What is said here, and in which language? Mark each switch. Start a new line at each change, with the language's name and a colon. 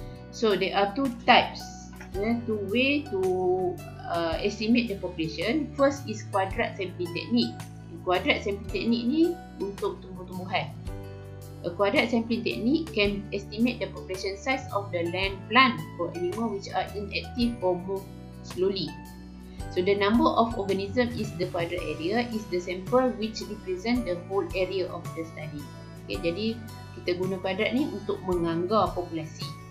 English: So there are two types, two way to estimate the population. First is quadrat sampling technique.
Malay: quadrat sampling teknik ni untuk tumbuh-tumbuhan.
English: A quadrat sampling teknik can estimate the population size of the land plant for animal which are inactive or move slowly. So the number of organism is the quadrat area is the sample which represent the whole area of the study.
Malay: Okay, jadi kita guna quadrat ni untuk menganggar populasi.